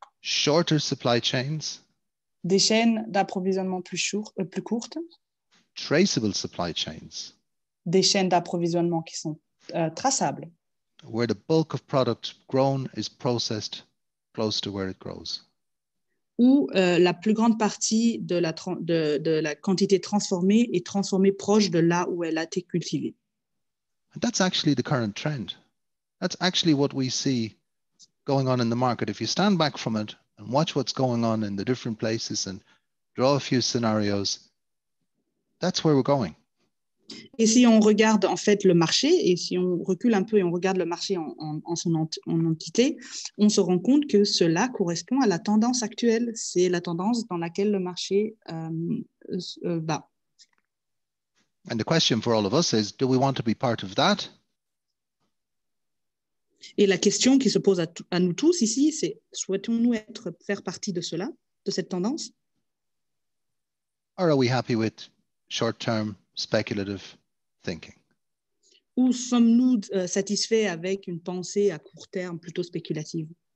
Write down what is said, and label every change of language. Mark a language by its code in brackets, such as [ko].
[en] Shorter supply chains. [fr] Des chaînes d'approvisionnement plus courtes. [en] Traceable supply chains. [fr] Des chaînes d'approvisionnement qui sont traçables. [en] Where the bulk of product grown is processed close to where it grows. [fr] Où la plus grande partie de la quantité transformée est transformée proche de là où elle a été cultivée. [en] And that's actually the current trend. That's actually what we see going on in the market. If you stand back from it and watch what's going on in the different places and draw a few scenarios, that's where we're going. [fr] Et si on regarde en fait le marché, et si on recule un peu et on regarde le marché en entité, on se rend compte que cela correspond à la tendance actuelle. C'est la tendance dans laquelle le marché va. [en] And the question for all of us is, do we want to be part of that? [fr] Et la question qui se pose à nous tous ici, c'est souhaitons-nous faire partie de cela, de cette tendance? [en] Or are we happy with short-term speculative thinking? [fr] Ou sommes-nous satisfaits avec une pensée à court terme plutôt spéculative?